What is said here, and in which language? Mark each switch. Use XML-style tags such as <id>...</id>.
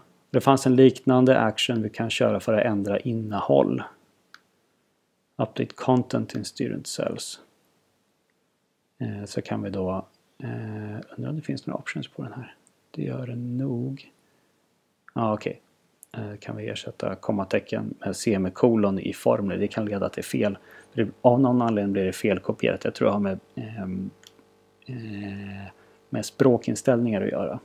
<sv>Det fanns en liknande action vi kan köra för att ändra innehåll.</sv> <en>Update content in student cells.</en> <sv>Så kan vi då, undrar om det finns några options på den här. Det gör det nog. Ja, okej. Kan vi ersätta kommatecken med semikolon i formler. Det kan leda till fel. Av någon anledning blir det felkopierat. Jag tror det har med språkinställningar att göra.</sv>